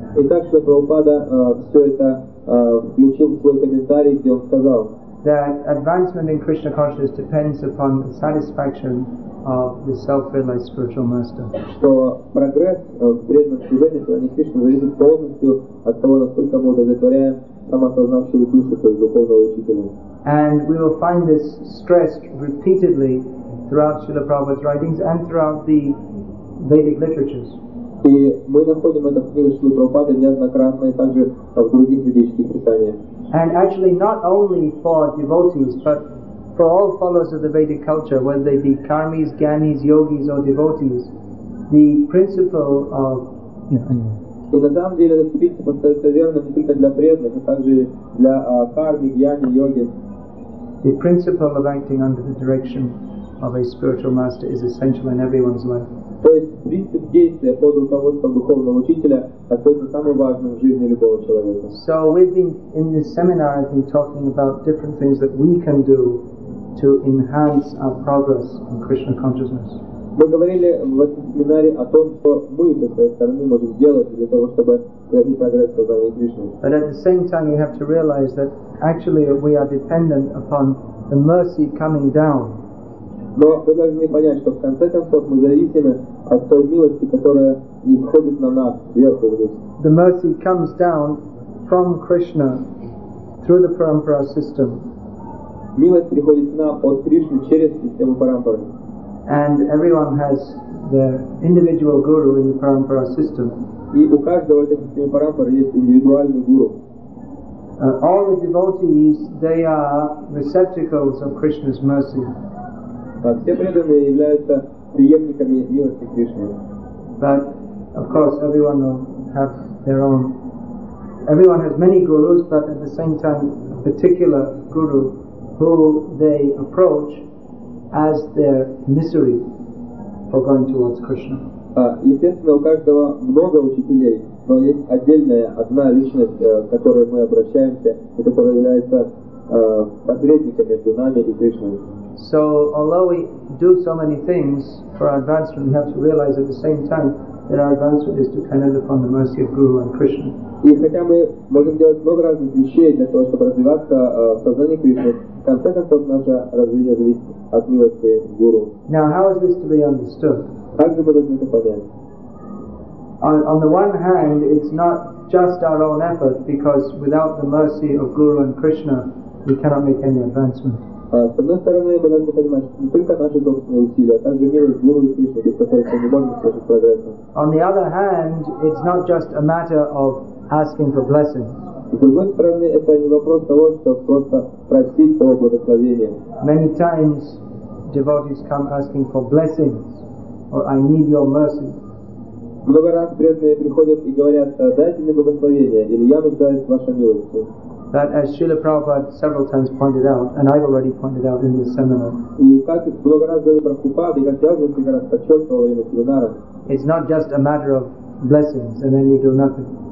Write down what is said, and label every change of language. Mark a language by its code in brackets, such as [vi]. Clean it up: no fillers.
[ru] Итак, что Прабхупада все это включил в свой комментарий, где он сказал. [en] That advancement in Krishna consciousness depends upon the satisfaction of the self-realized spiritual master. [ru] Что прогресс в преданном служении сознания Кришны зависит полностью от того, насколько мы удовлетворяем самосознавшую душу, то есть духовного учителя. [en] And we will find this stressed repeatedly throughout Srila Prabhupada's writings and throughout the Vedic literatures. [ru] И мы находим это в книгах Шрилы Прабхупады неоднократно и также в других ведических писаниях. [en] And actually not only for devotees, but for all followers of the Vedic culture, whether they be karmis, gyanis, yogis or devotees, the principle of... [ru] И на самом деле этот принцип остается верным не только для преданных, но также для карми, гьяни, йоги. [en] The principle of acting under the direction of a spiritual master is essential in everyone's life. [ru] То есть принцип действия под руководством духовного учителя остается самым важным в жизни любого человека. [en] So we've been in this seminar, I've been talking about different things that we can do to enhance our progress in Krishna consciousness. [ru] Мы говорили в этом семинаре о том, что мы со своей стороны можем сделать для того, чтобы произвести прогресс в сознании Кришны. [en] But at the same time, you have to realize that actually we are dependent upon the mercy coming down. [ru] Но мы должны понять, что в конце концов мы зависимы от той милости, которая не сходит на нас сверху вниз. [en] The mercy comes down from Krishna through the parampara system. [ru] Милость приходит к нам от Кришны через систему парампары. [en] And everyone has their individual guru in the parampara system. [ru] И у каждого этой системы парампары есть индивидуальный гуру. [en] All the devotees, they are receptacles of Krishna's mercy. [ru] Все преданные являются преемниками милости Кришны. [en] But of course, everyone will have their own. Everyone has many gurus, but at the same time, a particular guru who they approach as their misery for going towards Krishna. [ru] Естественно, у каждого много учителей, но есть отдельная, одна личность, к которой мы обращаемся, и которая является посредником между нами и Кришной. [en] So, although we do so many things for our advancement, we have to realize at the same time that our advancement is dependent upon the mercy of Guru and Krishna. [ru] И хотя мы можем делать много разных вещей для того, чтобы развиваться в сознании Кришны, в конце концов наше развитие зависит от милости Гуру. [en] Now, how is this to be understood? [ru] Как же мы должны это понять? [en] On the one hand, it's not just our own effort, because without the mercy of Guru and Krishna, we cannot make any advancement. [ru] С одной стороны, мы должны понимать, что не только наши собственные усилия, а также милость Гуру и Кришны, без которых мы не можем совершить прогресса. [en] On the other hand, it's not just a matter of asking for blessings. [ru] С другой стороны, это не вопрос того, чтобы просто просить того благословения. [en] Many times, devotees come asking for blessings, or I need your mercy. [ru] Много раз преданные приходят и говорят, дайте мне благословение, или я нуждаюсь в вашей милости. [en] That, as Srila Prabhupada several times pointed out, and I've already pointed out in this seminar, it's not just a matter of blessings and then you do nothing.